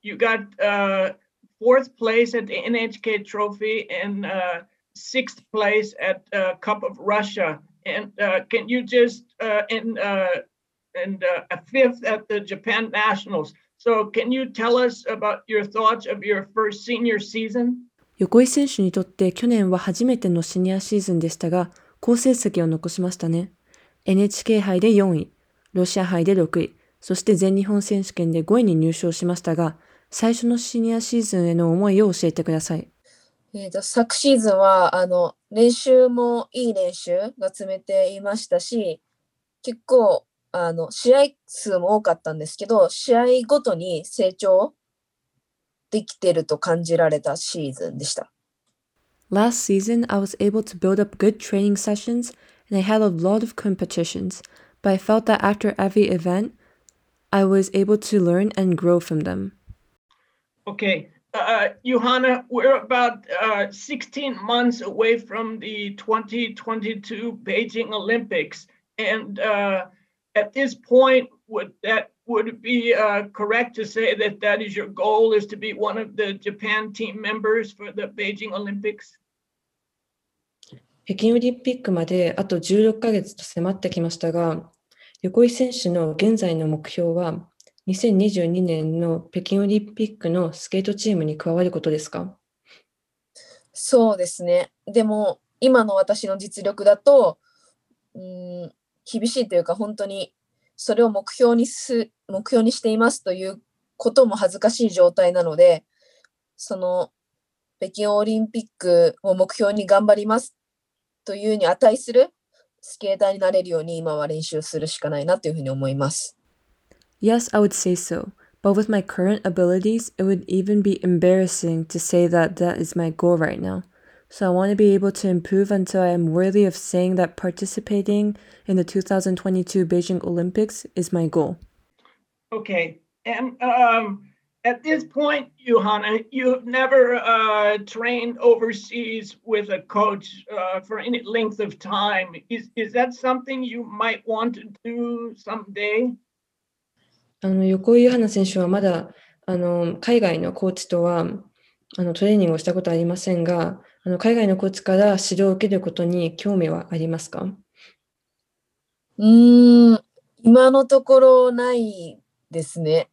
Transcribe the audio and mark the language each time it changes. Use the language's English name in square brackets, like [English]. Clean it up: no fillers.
[English] You got fourth place at the NHK Trophy and sixth place at Cup of Russia. And can you just, a fifth at the Japan Nationals. So can you tell us about your thoughts of your first senior season? [Japanese] 横井選手にとって去年は初めてのシニアシーズンでしたが、好成績を残しましたね。 NHK 杯で4位、ロシア杯で6位、そして全日本選手権で5位に入賞しましたが、最初のシニアシーズンへの思いを教えてください。昨シーズンは練習もいい練習が積めていましたし、結構試合数も多かったんですけど、試合ごとに成長できてると感じられたシーズンでした。 [English] Last season, I was able to build up good training sessions and I had a lot of competitions, but I felt that after every event, I was able to learn and grow from them. Okay. Johanna, we're about 16 months away from the 2022 Beijing Olympics. And at this point, would it be correct to say that is your goal, is to be one of the Japan team members for the Beijing Olympics? [Japanese] 北京オリンピックまであと16ヶ月と迫ってきましたが、横井選手の現在の目標は2022年の北京オリンピックのスケートチームに加わることですか？そうですね。でも今の私の実力だと、厳しいというか、本当にそれを目標にしていますということも恥ずかしい状態なので、その北京オリンピックを目標に頑張りますというに値するスケーターになれるように今は練習するしかないなというふうに思います。 [English] Yes, I would say so. But with my current abilities, it would even be embarrassing to say that is my goal right now. So I want to be able to improve until I am worthy of saying that participating in the 2022 Beijing Olympics is my goal. Okay. And at this point, Johanna, you've never trained overseas with a coach for any length of time. Is that something you might want to do someday? [Japanese] 横井優花選手はまだ海外のコーチとはトレーニングをしたことはありませんが、海外のコーチから指導を受けることに興味はありますか？今のところないですね。